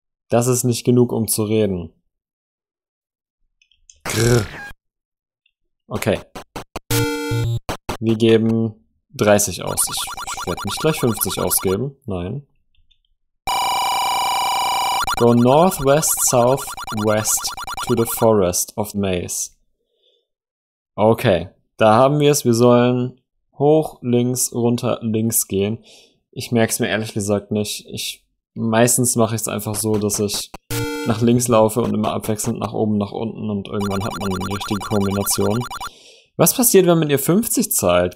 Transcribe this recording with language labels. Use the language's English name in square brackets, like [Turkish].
[German] Das ist nicht genug, um zu reden. Grrr. Okay. Wir geben 30 aus. Ich werde nicht gleich 50 ausgeben. Nein. [English] Go north, west, south, west to the forest of maize. [German] Okay, da haben wir es. Wir sollen hoch, links, runter, links gehen. Ich merke es mir ehrlich gesagt nicht. Meistens mache ich es einfach so, dass ich nach links laufe und immer abwechselnd nach oben, nach unten. Und irgendwann hat man die richtige Kombination. Was passiert, wenn man ihr 50 zahlt?